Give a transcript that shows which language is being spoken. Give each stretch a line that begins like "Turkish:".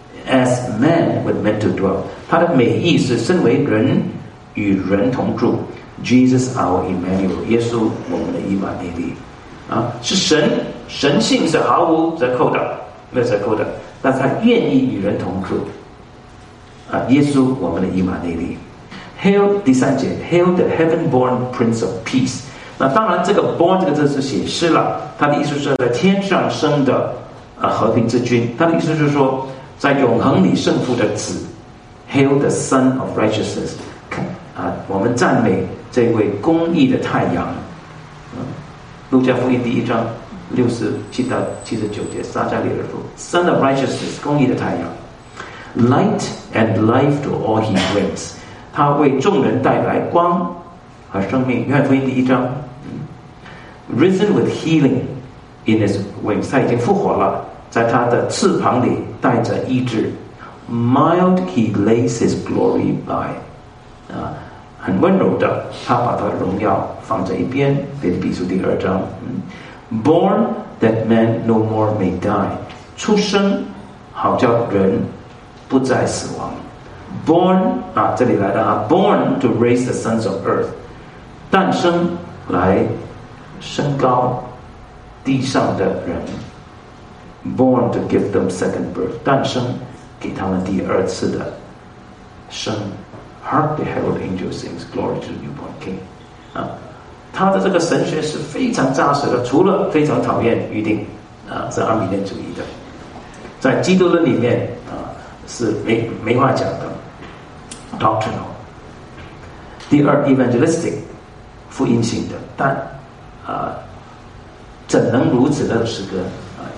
English: as man was meant to dwell.
Chinese: 它的美意是身为人与人同住。
English: Jesus our Emmanuel,
Chinese: 耶稣我们的以马内利。啊，是神，神性是毫无折扣的，没有折扣的。但是他愿意与人同住。啊，耶稣我们的以马内利。
English: Hail
Chinese: 第三节
English: ，Hail the heaven-born Prince of Peace。
Chinese: 那当然，这个 born 这个字是写诗了，他的意思是在天上生的啊和平之君，他的意思是说在永恒里胜负的子 ，
English: Hail the Son of Righteousness。
Chinese: 啊，我们赞美这位公义的太阳。嗯，路加福音第一章67-79节，撒加利亚书 ，Son of Righteousness， 公义的太阳 ，
English: Light and life to all he brings。
Chinese: 他为众人带来光和生命，约翰福音第一章。
English: Risen with healing in his wings，
Chinese: 他已经复活了，在他的翅膀里带着医治。
English: Mild he lays his glory by，
Chinese: 很温柔的，他把他的荣耀放在一边。腓立比书第二章。
English: Born that man no more may die，
Chinese: 出生好叫人不再死亡。 Born 啊，这里来的啊 ，
English: Born to raise the sons of earth，
Chinese: 诞生来升高地上的人。
English: Born to give them second birth，
Chinese: 诞生给他们第二次的生。
English: Hark the herald angels sing glory to the newborn king。
Chinese: 啊，他的这个神学是非常扎实的，除了非常讨厌预定啊，是阿米念主义的，在基督论里面啊是没话讲的。 Doctrinal， 第二 ，evangelistic， 福音性的，但啊，怎能如此的诗歌啊？